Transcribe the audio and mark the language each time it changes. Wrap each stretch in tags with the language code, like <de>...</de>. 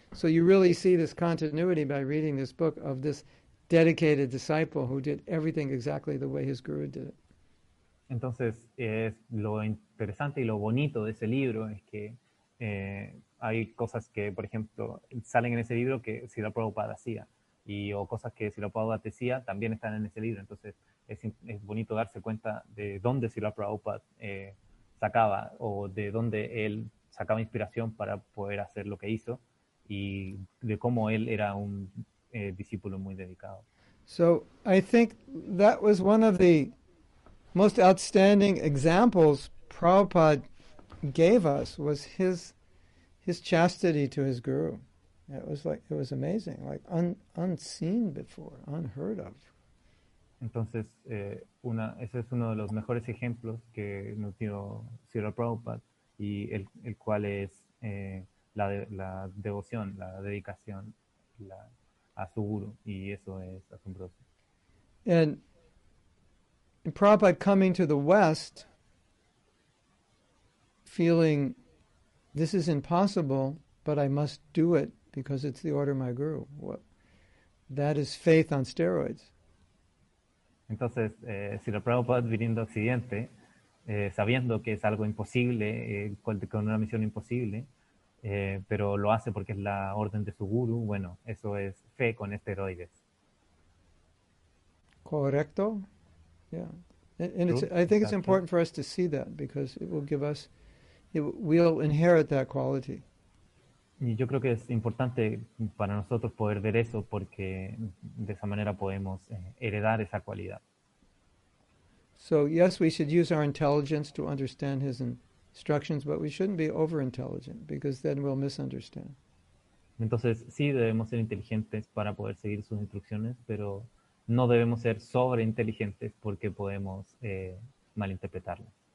<en>So you really see this continuity by reading this book of this dedicated disciple who did everything exactly the way his guru did it.</en> <es>Entonces, lo interesante y lo bonito de ese libro es que hay cosas que, por ejemplo, salen en ese libro que Srila Prabhupada hacía, y o cosas que Srila Prabhupada decía también están en ese libro. Entonces, es bonito darse cuenta de dónde Srila Prabhupada sacaba o de dónde él sacaba inspiración para poder hacer lo que hizo y de cómo él era un discípulo muy dedicado.</es> <en>So, I think that was one of the most outstanding examples Prabhupada gave us was his chastity to his guru. It was like, it was amazing, like unseen before, unheard of.</en> <es>Entonces, ese es uno de los mejores ejemplos que nos dio Srila Prabhupada y el cual es la devoción, la dedicación a su guru, y eso es asombroso.</es> <en>And Prabhupada coming to the West feeling this is impossible, but I must do it because it's the order of my guru. What? That is faith on steroids.</en> <es>Entonces, Srila Prabhupada viniendo a Occidente, sabiendo que es algo imposible, con una misión imposible, pero lo hace porque es la orden de su guru, bueno, eso es fe con esteroides. Correcto.</es> <en>Yeah, and it's, I think it's important for us to see that because it will give us, we'll inherit that quality.</en> <es>Y yo creo que es importante para nosotros poder ver eso porque de esa manera podemos heredar esa cualidad.</es> <en>So yes, we should use our intelligence to understand his instructions, but we shouldn't be over-intelligent because then we'll misunderstand.</en> <es>Entonces sí debemos ser inteligentes para poder seguir sus instrucciones, pero no debemos ser sobreinteligentes porque podemos malinterpretarlo.</es>